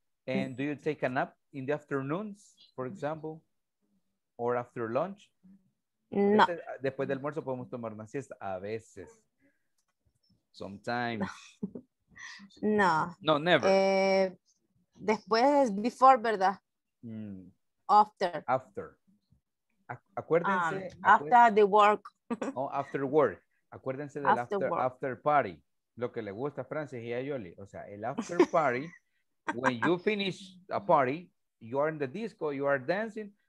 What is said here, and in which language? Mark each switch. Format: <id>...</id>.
<en>And do you take a nap in the afternoons, for example, or after lunch? No.</en> <es>Después del almuerzo podemos tomar una siesta a veces.</es> <en>Sometimes. No. No, never.</en> <es>Después, before, ¿verdad? After. After. Acuérdense.</es> <en>After the work. Oh, after work.</en> <es>Acuérdense del</es> <en>after party.</en> <es>Lo que le gusta a Francis y a Yoli. O sea, el after party,</es> <en>when you finish a party, you are in the disco, you are dancing.</en>